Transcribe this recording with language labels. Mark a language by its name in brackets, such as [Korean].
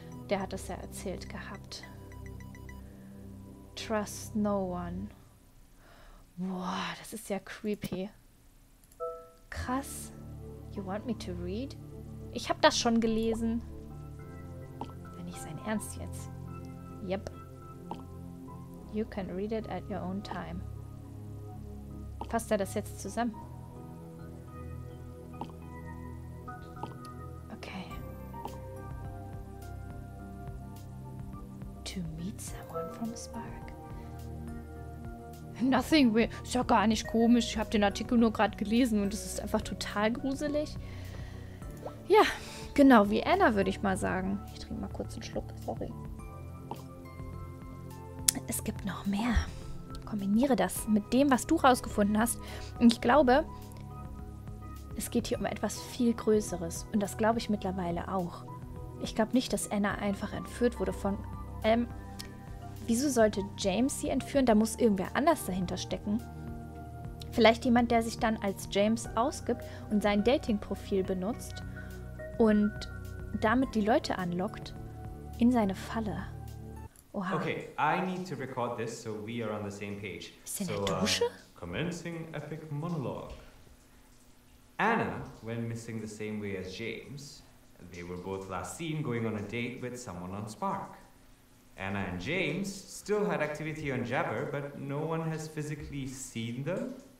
[German] Der hat das ja erzählt gehabt. [English] Trust no one. [German] Boah, das ist ja creepy. Krass. [English] You want me to read? [German] Ich hab das schon gelesen. Wenn ich sein Ernst jetzt. [English] Yep. You can read it at your own time. [German] Passt er das jetzt zusammen? Okay. [English] To meet someone from Spark? Nothing weird. [German] Ist ja gar nicht komisch. Ich habe den Artikel nur gerade gelesen und es ist einfach total gruselig. Ja, genau wie Anna, würde ich mal sagen. Ich trinke mal kurz einen Schluck. Sorry. Es gibt noch mehr. Kombiniere das mit dem, was du rausgefunden hast. Und ich glaube, es geht hier um etwas viel Größeres. Und das glaube ich mittlerweile auch. Ich glaube nicht, dass Anna einfach entführt wurde von... Wieso sollte James sie entführen? Da muss irgendwer anders dahinter stecken. Vielleicht jemand, der sich dann als James ausgibt und sein Dating-Profil benutzt und damit die Leute anlockt in seine Falle. Oha. [English] Okay, I need to record this, so we are on the same page. [German] Ist der in der Dusche? [English] Commencing epic monologue. Anna went missing the same way as James. They were both last seen going on a date with someone on Spark. Anna and James still had activity on Jabber, but no one has physically seen them.